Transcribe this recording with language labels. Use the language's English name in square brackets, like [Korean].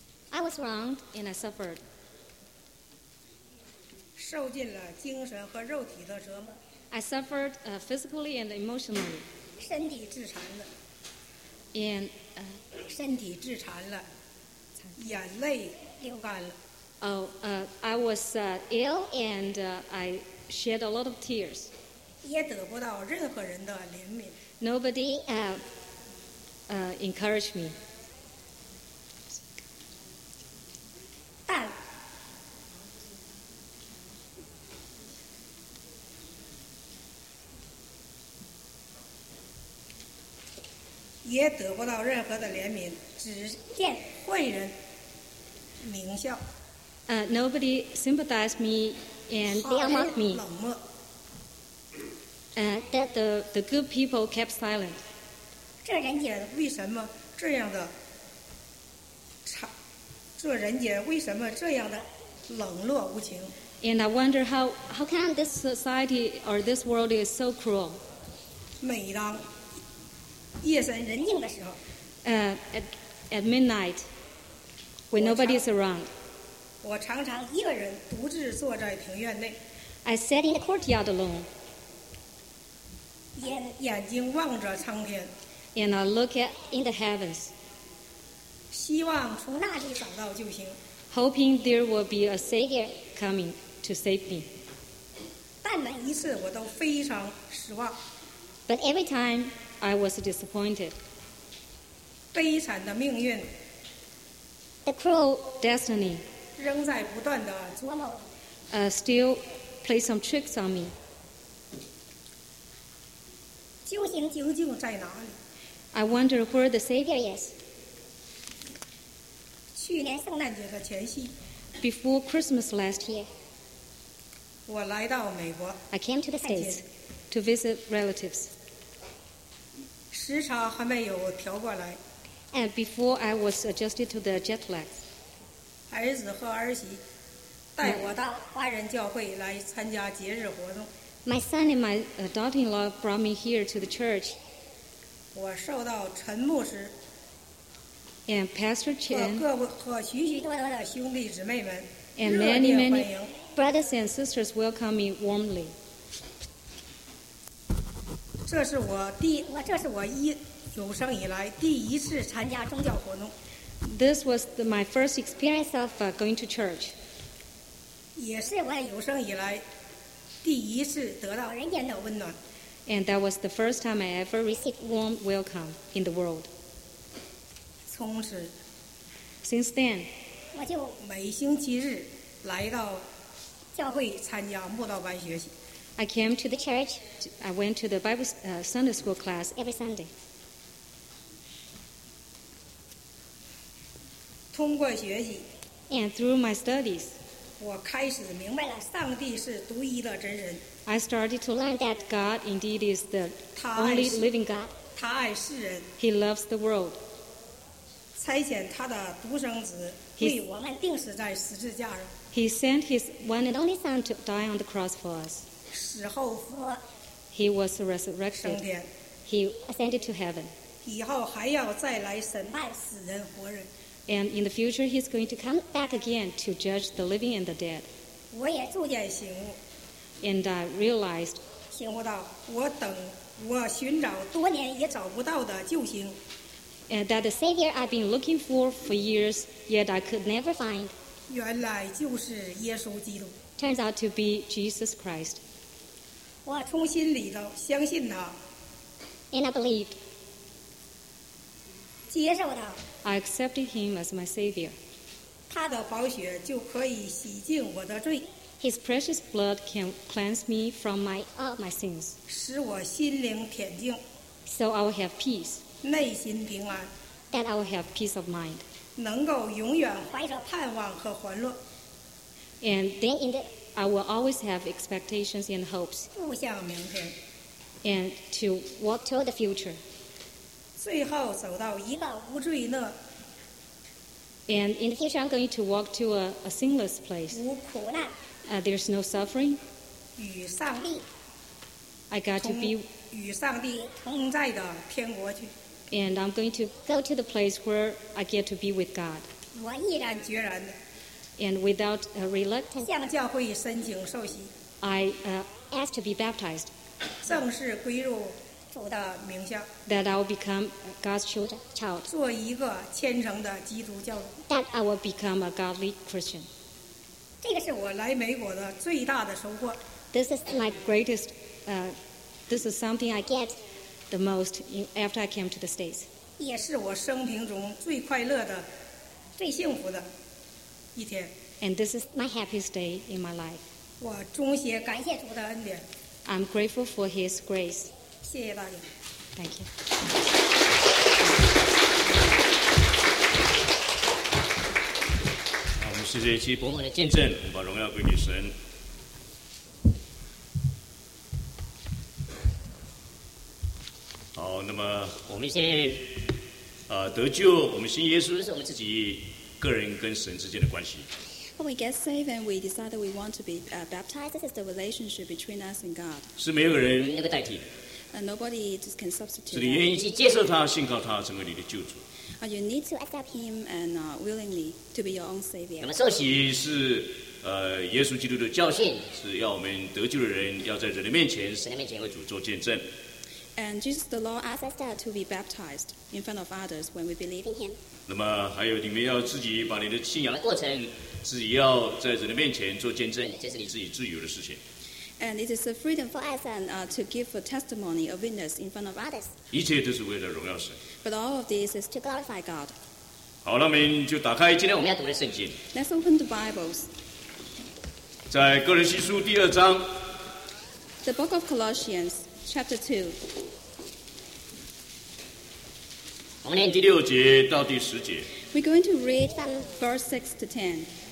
[English] I was wronged and I suffered. [Chinese] 受尽了精神和肉体的折磨。 [English] I suffered physically and emotionally. [Chinese] 身体致残了。 [English] And, [Chinese] 身体致残了，眼泪流干了。 [English] I was ill and I shed a lot of tears. [Chinese] 也得不到任何人的怜悯。 [English] Nobody encouraged me. [Chinese] 但也得不到任何的怜悯，只见坏人狞笑。 [English] Nobody sympathized me and they mocked me. [Chinese] 冷漠。 [English] That the good people kept silent. [Chinese] 这人间为什么这样的差？这人间为什么这样的冷落无情 [English] ？And I wonder how can this society or this world is so cruel? [Chinese] 每当夜深人静的时候 [English] at midnight when nobody is around [Chinese] 我常常一个人独自坐在庭院内 [English] I sat in the courtyard alone [Chinese] 眼睛望着苍天 [English] and I look at in the heavens [Chinese] 希望从那里找到救星 [English] hoping there will be a savior coming to save me [Chinese] 但每一次我都非常失望 [English] but every timeI was disappointed. [Chinese] 悲惨的命运 [English] The cruel destiny [Chinese] 仍在不断地琢磨 [English] still play some tricks on me. [Chinese] 究竟究竟在哪里 [English] I wonder where the Savior is. [Chinese] 去年圣诞节的前夕 [English] Before Christmas last year, [Chinese] 我来到美国 [English] I came to the States to visit relatives. [Chinese] 时差还没有调过来 [English] and before I was adjusted to the jet lag [Chinese] 儿子和儿媳带我到华人教会来参加节日活动 [English] my son and my daughter-in-law brought me here to the church [Chinese] 我受到陈牧师 [English] and Pastor Chen [Chinese] 和许许多多的兄弟姊妹们 [English] and many brothers and sisters welcomed me warmly [Chinese] 这是我有生以来第一次参加宗教活动。 [English] This was my first experience of going to church. [Chinese] 也是我有生以来第一次得到人间的温暖。 [English] And that was the first time I ever received warm welcome in the world. [Chinese] 从此 [English] Since then, [Chinese] 我就每星期日来到教会参加慕道班学习。 [English] I came to the church. I went to the Bible Sunday school class every Sunday. [Chinese] 通过学习 [English] and through my studies, [Chinese] 我开始明白了上帝是独一的真神 [English] I started to learn that God indeed is the only living God. [Chinese] 他爱世人 [English] He loves the world. [Chinese] 差遣他的独生子为我们钉死在十字架上 [English] He sent his one and only son to die on the cross for us. [Chinese] 死后复活 [English] He was resurrected. [Chinese] 升天 [English] He ascended to heaven. [Chinese] 以后还要再来审判死人活人 [English] And in the future, he's going to come back again to judge the living and the dead. [Chinese] 我也逐渐醒悟 [English] And I realized [Chinese] 醒悟到我寻找多年也找不到的救星 [English] And that the Savior I've been looking for years, yet I could never find. [Chinese] 原来就是耶稣基督 [English] Turns out to be Jesus Christ. [Chinese] 我从心里头相信他 [English] and I believed [Chinese] 接受他 [English] I accepted him as my savior [Chinese] 他的宝血就可以洗净我的罪 [English] His precious blood can cleanse me from my sins. [Chinese] 使我心灵恬定。 [English] So I will have peace. [Chinese] 内心平安。 [English] And I will have peace of mind. [Chinese] 能够永远怀着盼望和欢乐。 [English] And then I will always have expectations and hopes. [Chinese] 步向明天。 [English] And to walk toward the future. [Chinese] 最后走到一个无罪乐。 [English] And in the future, I'm going to walk to a sinless place. [Chinese] 无苦难。 [English] There's no suffering. [Chinese] 与上帝。 [English] I got to be [Chinese] 与上帝同在的天国去。 [English] And I'm going to go to the place where I get to be with God. [Chinese] 我毅然决然的。 [English] And without a reluctance, [Chinese] 向教会申请受洗。 [English] I asked to be baptized. [Chinese] 正式归入主的名下。 [English] That I will become God's child. [Chinese] 做一个虔诚的基督教徒。 [English] That I will become a godly Christian. [Chinese] 这个是我来美国的最大的收获。 [English] This is my greatest. This is something I get the most after I came to the States. [Chinese] 也是我生平中最快乐的、最幸福的。 [English] And this is my happiest day in my life. [Chinese] 我衷心感谢主的恩典。 [English] I'm grateful for His grace. [Chinese] 谢谢大家。 [English] Thank you. [Chinese] 好，我们谢谢齐伯母的见证，我们把荣耀归给神。好，那么我们先得救，我们信耶稣，是我们自己。个人跟神之间的关系。 [English] When we get saved and we decide that we want to be baptized, this is the relationship between us and God. [Chinese] 是没有人能够代替的。 [English] Nobody just can substitute. [Chinese] 是你愿意去接受他，信靠他，成为你的救主。 [English] You need to accept him and willingly to be your own savior. [Chinese] 那么受洗是耶稣基督的教训，是要我们得救的人要在人的面前、神的面前为主做见证。 [English] And Jesus, the law asks us that to be baptized in front of others when we believe in Him. [Chinese] 那么还有你们要自己把你的信仰的过程，自己要在人的面前做见证，这是你自己自由的事情。 [English] And it is a freedom for us and to give a testimony, a witness in front of others. [Chinese] 一切都是为了荣耀神。 [English] But all of this is to glorify God. [Chinese] 好，那我们就打开今天我们要读的圣经。 [English] Let's open the Bibles. [Chinese] 在哥林西书第二章。 [English] The Book of Colossians. Chapter [Chinese] 2. 我们念第六节到第十节。 [English] We're going to read from verse 6 to 10.